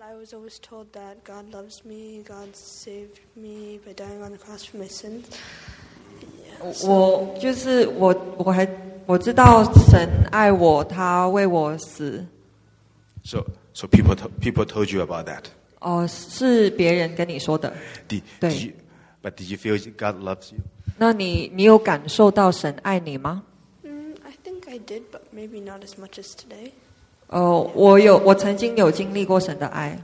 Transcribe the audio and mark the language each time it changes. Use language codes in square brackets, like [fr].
[en] I was always told that God loves me, God saved me by dying on the cross for my sins. Yeah, so. [zh] 我知道神爱我，他为我死。 [en] So people told you about that? [zh] 是别人跟你说的。 [en] But did you feel God loves you? [zh] 那你有感受到神爱你吗? [en] I think I did, but maybe not as much as today. [zh] 我曾经有经历过神的爱。